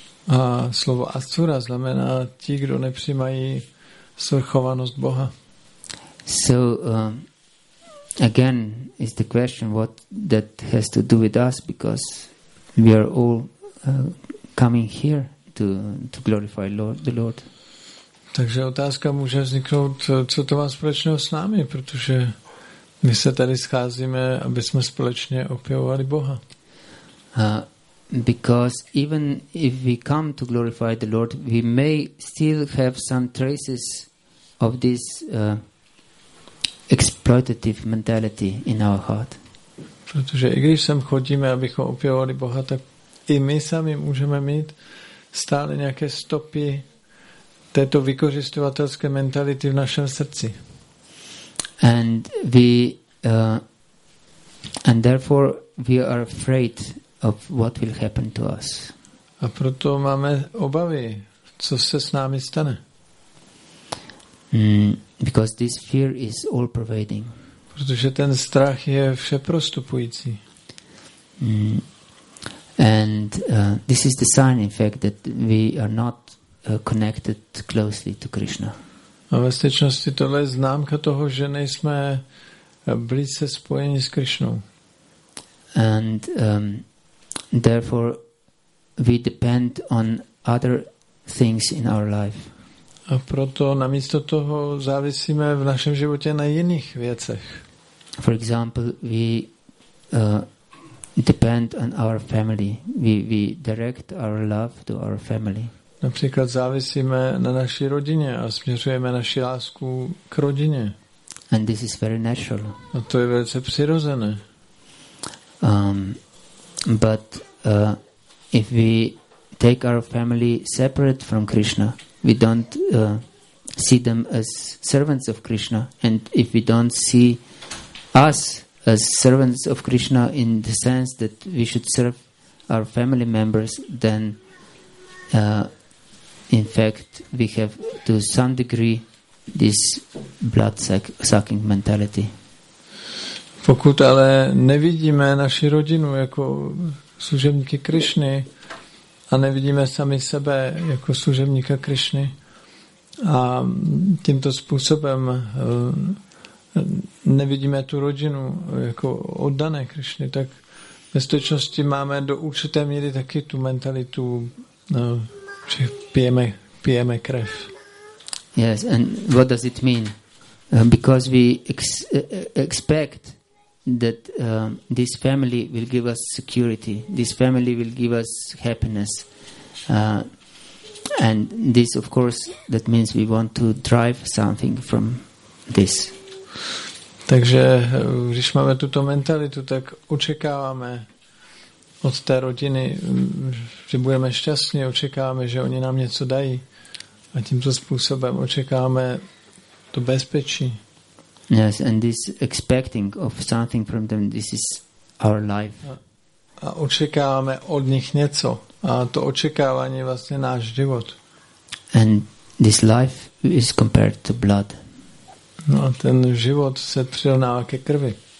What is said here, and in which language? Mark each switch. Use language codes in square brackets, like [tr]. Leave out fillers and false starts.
[cs] A slovo asura znamená ti, kdo nepřijímají svrchovanost Boha. [en] So again, is the question what that has to do with us, because we are all coming here to glorify Lord, the Lord. [cs] Takže otázka může vzniknout, co to má společného s námi, protože my se tady scházíme, aby jsme společně opěvovali Boha. [en] Because even if we come to glorify the Lord, we may still have some traces of this exploitative mentality in our heart. [cs] Protože i když sem chodíme, abychom opěvovali Boha, tak i my sami můžeme mít stále nějaké stopy této vykořisťovatelské mentality v našem srdci. [en] And we and therefore we are afraid of what will happen to us. [cs] A proto máme obavy, co se s námi stane. [en] Because this fear is all pervading. [cs] Protože ten strach je všeprostupující. [en] And this is the sign, in fact, that we are not connected closely to Krishna. [cs] A ve skutečnosti tohle je známka toho, že nejsme blízce spojeni s Krišnou. [en] And therefore we depend on other things in our life. [cs] A proto namísto toho závisíme v našem životě na jiných věcech. [en] For example, we depend on our family. We direct our love to our family. [cs] Například závisíme na naší rodině a směřujeme naši lásku k rodině. [en] And this is very natural. [cs] A to je velice přirozené. [en] But if we take our family separate from Krishna, we don't see them as servants of Krishna, and if we don't see us as servants of Krishna in the sense that we should serve our family members, then in fact we have to some degree this blood sucking mentality. [cs] Pokud ale nevidíme naši rodinu jako služebníky Krišny a nevidíme sami sebe jako služebníka Krišny a tímto způsobem nevidíme tu rodinu jako oddané Krišny, tak ve skutečnosti máme do určité míry taky tu mentalitu, že pijeme krev. [en] Yes, and what does it mean? Because we expect that this family will give us security, this family will give us happiness, and this, of course, that means we want to drive something from this. [cs] Takže když máme tuto mentalitu, tak očekáváme od té rodiny, že budeme šťastní, očekáváme, že oni nám něco dají, a tímto způsobem očekáváme to bezpečí. [en] Yes, and this expecting of something from them, this is our life. [cs] A očekáváme od nich něco. A to očekávání vlastně náš život. [en] And this life is compared to blood. [cs] No a ten život se přirovnává ke krvi.